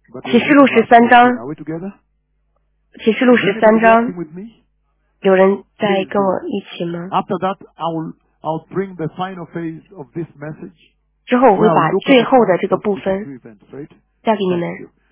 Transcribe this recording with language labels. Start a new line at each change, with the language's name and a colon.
Chinese: 启示录13章，启示录13章，有人在跟我一起吗？
English: After that I'll bring the final phase of this message.
Chinese: 之后我会把最后的这个部分交给你们。